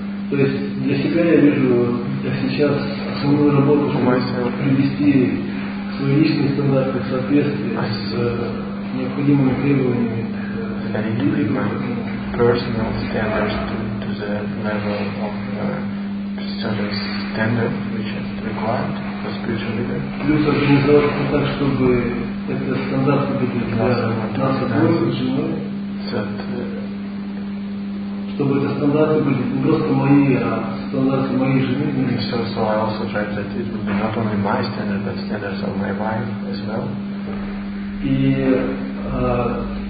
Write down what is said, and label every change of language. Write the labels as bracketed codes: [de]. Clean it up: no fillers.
[ru] То есть для себя я вижу, я сейчас основную работу, чтобы привести свои личные стандарты в соответствие с необходимыми требованиями. [en] Personal standards to the level of certain standard which is required for spiritual leader. [ru] Плюс организовать так, чтобы это стандарты были для нас чтобы это стандарты были не просто мои, а стандарты моей жены. [en] So I also tried that it would be not only my standard, but standards of my wife as well.